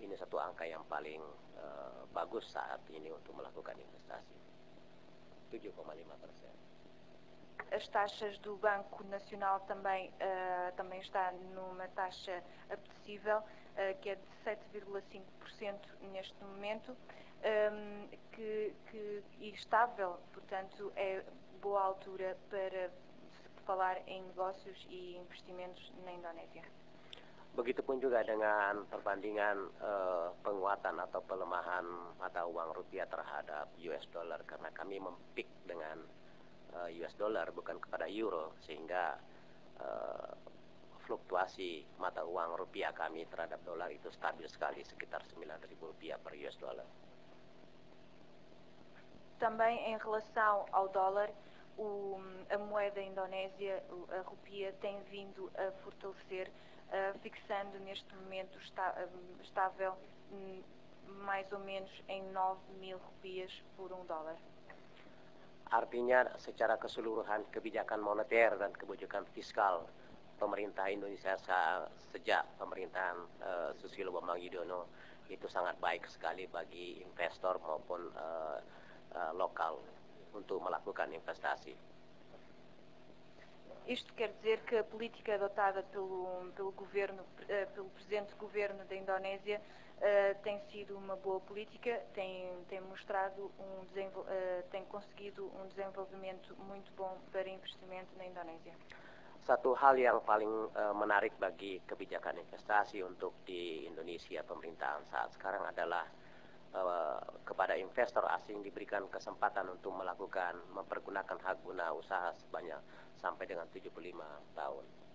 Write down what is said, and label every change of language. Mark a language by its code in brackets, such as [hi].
[id] Ini satu angka yang paling bagus saat ini untuk melakukan investasi, 7,5%. [pt] As taxas do Banco Nacional também está numa taxa apetecível, que é de 7,5% neste momento, e estável, portanto, é boa altura para falar em negócios e investimentos na Indonésia. [id] Begitupun juga dengan perbandingan penguatan atau pelemahan mata uang rupiah terhadap US dollar, karena kami mempik dengan US dollar bukan kepada euro, sehingga fluktuasi mata uang rupiah kami terhadap dolar itu stabil sekali, sekitar 9.000 rupiah per US dollar. [pt] Também em relação ao dólar, a moeda Indonésia, a rupia, tem vindo a fortalecer, fixando neste momento estável mais ou menos em 9.000 rupias por um dólar. [id] Artinya secara keseluruhan kebijakan moneter dan kebijakan fiskal pemerintah Indonesia sejak pemerintahan Susilo Bambang Yudhoyono itu sangat baik sekali bagi investor maupun lokal untuk melakukan investasi. [pt] Isto quer dizer que a política adotada pelo governo, pelo presidente do governo da Indonésia tem sido uma boa política, tem mostrado tem conseguido um desenvolvimento muito bom para investimento na Indonésia. [id] Satu hal yang paling menarik bagi kebijakan investasi untuk di Indonesia pemerintahan saat sekarang adalah kepada investor asing diberikan kesempatan untuk melakukan mempergunakan hak guna usaha sebanyak sampai dengan 75 tahun.